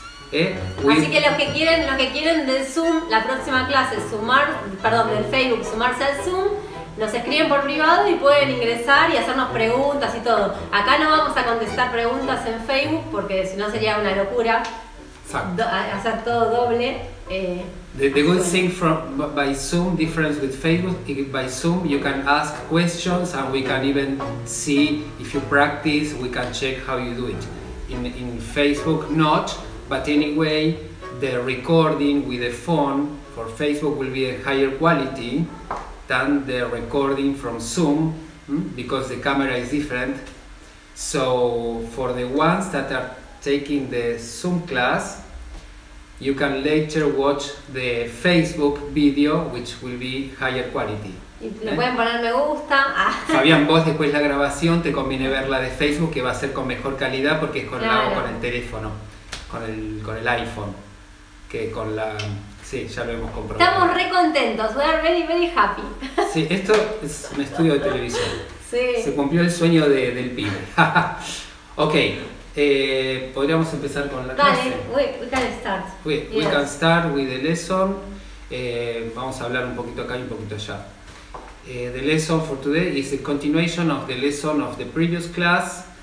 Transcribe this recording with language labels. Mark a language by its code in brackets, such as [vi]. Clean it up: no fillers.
[es] Así que los que quieren de Zoom, la próxima clase, de Facebook, sumarse al Zoom, nos escriben por privado y pueden ingresar y hacernos preguntas y todo. Acá no vamos a contestar preguntas en Facebook porque si no sería una locura hacer todo doble. [en] The good thing by Zoom, difference with Facebook, by Zoom you can ask questions and we can even see if you practice, we can check how you do it. In Facebook, not. But anyway, the recording with the phone for Facebook will be a higher quality than the recording from Zoom, because the camera is different. So for the ones that are taking the Zoom class, you can later watch the Facebook video, which will be higher quality. [es] Y pueden poner me gusta. Fabián, vos después la grabación te conviene verla de Facebook, que va a ser con mejor calidad porque es con el teléfono. Con el iPhone, que con la... Sí, ya lo hemos comprobado. Estamos re contentos, [en] we are very, very happy. [es] Sí, esto es un estudio de televisión. Sí. Se cumplió el sueño del pibe. Ok, podríamos empezar con la clase. [en] We can start with the lesson. [es] Vamos a hablar un poquito acá y un poquito allá. [en] The lesson for today is a continuation of the lesson of the previous class.